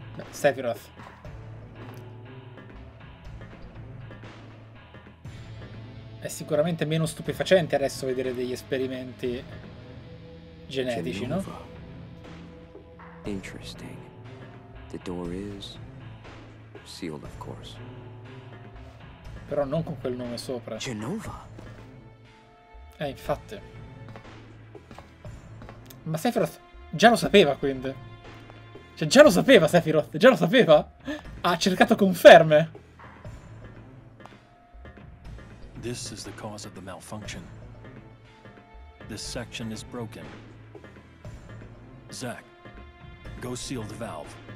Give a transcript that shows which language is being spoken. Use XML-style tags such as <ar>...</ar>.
<en>Sephiroth.</en> <it>È sicuramente meno stupefacente adesso vedere degli esperimenti genetici, no?</it> <en>Interesting. The door is sealed, of course.</en> <it>Però non con quel nome sopra. Genova. Infatti. Ma Sephiroth già lo sapeva, quindi. Cioè, già lo sapeva Sephiroth, già lo sapeva? Ha cercato conferme.</it> <en>This is the cause of the malfunction. This section is broken. Zack, go seal the valve.</en>